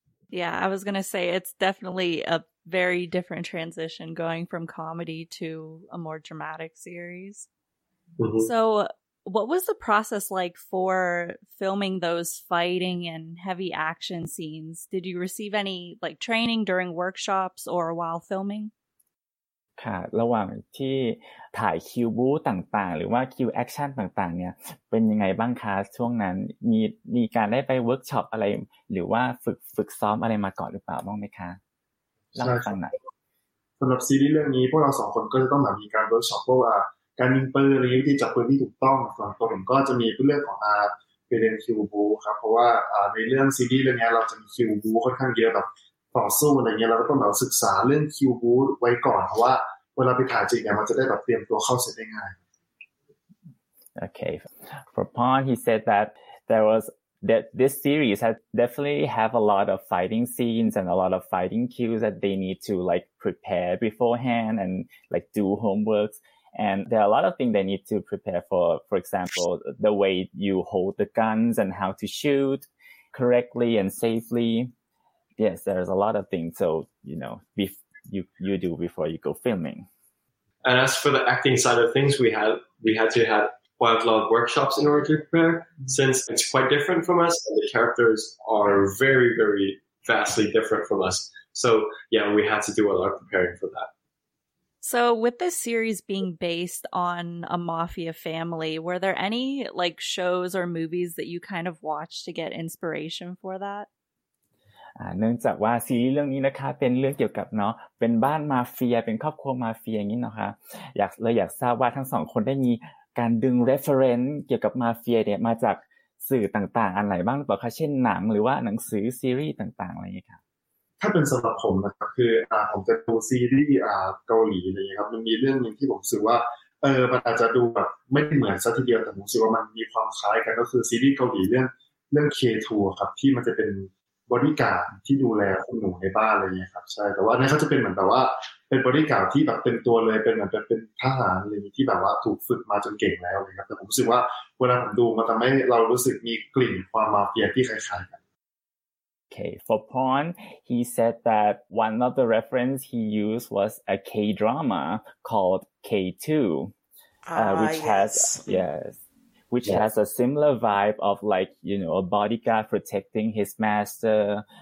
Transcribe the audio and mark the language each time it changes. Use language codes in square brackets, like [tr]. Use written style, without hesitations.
[en] Yeah, I was going to say, it's definitely a very different transition going from comedy to a more dramatic series. Mm-hmm. So what was the process like for filming those fighting and heavy action scenes? Did you receive any like training during workshops or while filming? [th] ค่ะระหว่างที่ถ่ายคิวบู๊ต่างๆหรือว่าคิวแอคชั่นต่างๆเนี่ยเป็นยังไงบ้างคะช่วงนั้นมีการได้ไปเวิร์กช็อปอะไรหรือว่าฝึกซ้อมอะไรมาก่อนหรือเปล่าบ้างไหมคะลำดับไหน สำหรับซีรีส์เรื่องนี้พวกเรา2คนก็จะต้องมีการเวิร์กช็อปพวกการยิงปืนหรือวิธีจับปืนที่ถูกต้องส่วนตัวผมก็จะมีเรื่องของการไปเรียนคิวบู๊ครับเพราะว่าในเรื่องซีรีส์เรื่องนี้เราจะมีคิวบู๊ค่อนข้างเยอะแบบต่อสู้อะไรเงี้ยเราก็ต้องแบบศึกษาเรื่องคิวบู๊ไว้ก่อนเพราะว่าเวลาไปถ่ายจริงเนี่ยมันจะได้แบบเตรียมตัวเข้าเสร็จได้ง่าย [en] โอเค for Pawn he said that there was that this series has definitely have a lot of fighting scenes and a lot of fighting cues that they need to like prepare beforehand and like do homeworks and there are a lot of things they need to prepare for example the way you hold the guns and how to shoot correctly and safelyYes, there's a lot of things. So, you know, you do before you go filming. And as for the acting side of things, we had to have quite a lot of workshops in order to prepare, since it's quite different from us. And the characters are very, very vastly different from us. So yeah, we had to do a lot of preparing for that. So with this series being based on a mafia family, were there any like shows or movies that you kind of watched to get inspiration for that? [th] เนื่องจากว่าซีรีส์เรื่องนี้นะคะเป็นเรื่องเกี่ยวกับเนาะเป็นบ้านมาเฟียเป็นครอบครัวมาเฟียอย่างนี้นะคะอยากเลยอยากทราบว่าทั้งสองคนได้มีการดึง reference เกี่ยวกับมาเฟียเนี่ยมาจากสื่อต่างๆอันไหนบ้างหรือเปล่าคะเช่นหนังหรือว่าหนังสือซีรีส์ต่างๆอะไรอย่างนี้ค่ะ ถ้าเป็นสำหรับผมนะครับคือผมจะดูซีรีส์เกาหลีอะไรอย่างนี้ครับมันมีเรื่องนึงที่ผมรู้สึกว่ามันอาจจะดูแบบไม่เหมือนซะทีเดียวแต่ผมรู้สึกว่ามันมีความคล้ายกันก็คือซีรีส์เกาหลีเรื่อง K2 ครับที่มันจะเป็นบอดี้การ์ดที่ดูแลคุณหนูในบ้านอะไรอย่างเงี้ยครับใช่แต่ว่านี่เขาจะเป็นเหมือนแบบว่าเป็นบอดี้การ์ดที่แบบเต็มตัวเลยเป็นเหมือนเป็นทหารเลยที่แบบว่าถูกฝึกมาจนเก่งแล้วเลยครับแต่ผมรู้สึกว่าเวลาผมดูมันทำให้เรารู้สึกมีกลิ่นความมาเฟียที่คล้ายๆกัน [en] Okay, for Pawn, he said that one of the reference he used was a K drama called K2, which has which has a similar vibe of like, you know, a bodyguard protecting his master.